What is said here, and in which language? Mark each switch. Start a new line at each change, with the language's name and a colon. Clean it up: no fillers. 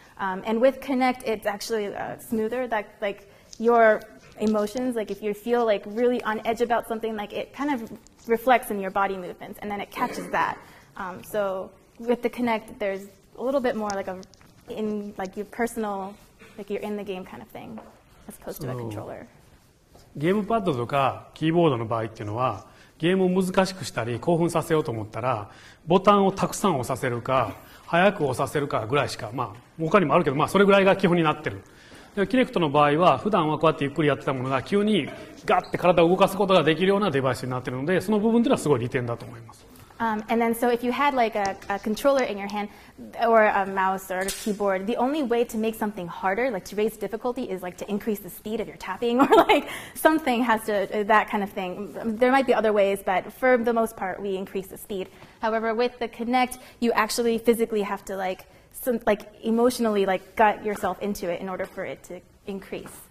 English: And with Connect, it's actually smoother. That like your emotions, like if you feel like really on edge about something, like it kind of reflects in your body movements, and then it catches that. So with the Connect, there's a little bit more like a in like your personal, like you're in the game kind of thing, as opposed to a controller.
Japanese: ゲームパッドとかキーボードの場合っていうのは、ゲームを難しくしたり興奮させようと思ったら、ボタンをたくさん押させるか、早く押させるかぐらいしか、まあ他にもあるけど、まあそれぐらいが基本になってる。で、キネクトの場合は普段はこうやってゆっくりやってたものが急にガッて体を動かすことができるようなデバイスになってるので、その部分っていうのはすごい利点だと思います。
English: And then, so if you had like a controller in your hand, or a mouse, or a keyboard, the only way to make something harder, like to raise difficulty, is like to increase the speed of your tapping, or like something has to, that kind of thing. There might be other ways, but for the most part, we increase the speed. However, with the Kinect, you actually physically have to like, some, like emotionally, like gut yourself into it in order for it to increase.